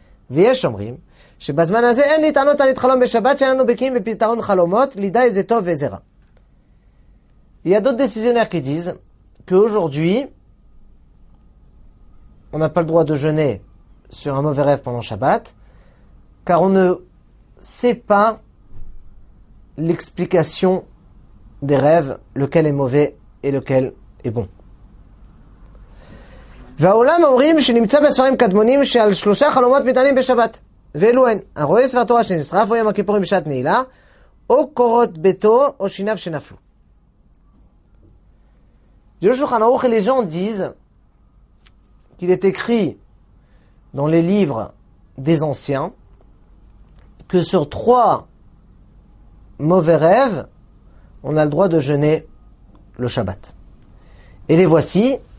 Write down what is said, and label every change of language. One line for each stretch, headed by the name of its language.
French: Il y a d'autres décisionnaires qui disent qu'aujourd'hui, on n'a pas le droit de jeûner sur un mauvais rêve pendant Shabbat, car on ne sait pas l'explication des rêves, lequel est mauvais et lequel est bon.
Hebrew: והעולם אומרים שנמצא בספרים קדמונים שעל שלושה חלומות מתענים בשבת, ואלו הן, הרואה ספר תורה שנשרף או ים הכיפורים בשעת נעילה, או קורות ביתו או שיניו שנפלו. זה לא שולחן ערוך,
French: les gens disent qu'il est écrit dans les livres des anciens que sur 3 mauvais rêves, on a le droit de jeûner le Shabbat. Et les voici.